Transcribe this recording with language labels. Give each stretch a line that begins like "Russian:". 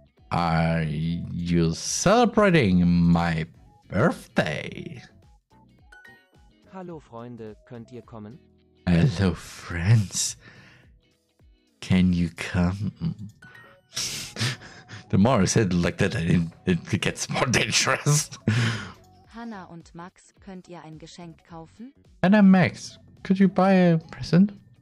English: Are you celebrating my birthday?
German: Hallo, Freunde, könnt ihr kommen?
English: Hello, friends. Can you come? The more I said like that, it gets more dangerous.
German: Hannah und Max, könnt ihr ein Geschenk kaufen?
English: Hannah and Max, could you buy a present?